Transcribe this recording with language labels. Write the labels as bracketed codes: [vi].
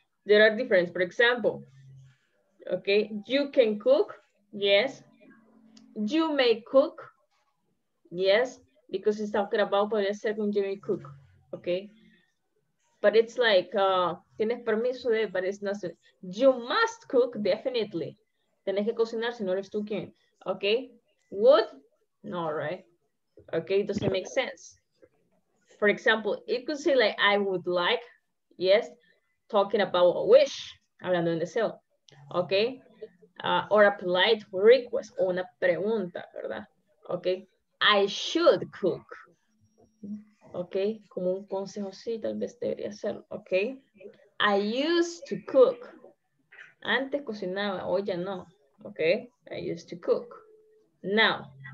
[en] There are differences, for example, okay? You can cook, yes. You may cook, yes, because it's talking about [es] podría ser con [en] you may cook, okay? But it's like, [es] tienes permiso de, [en] but it's not, you must cook, definitely. [es] Tienes que cocinar, si no eres tú quien, okay? [en] Would? No, right? Okay, it doesn't make sense. For example, it could say like, I would like, yes, talking about a wish, [es] hablando de un deseo, [en] okay? Or a polite request, [es] o una pregunta, ¿verdad? [en] Okay, I should cook. [es] Okay, como un consejo, sí, tal vez debería hacerlo, okay? [en] I used to cook. [es] Antes cocinaba, hoy ya no. [en] Okay, I used to cook. Now,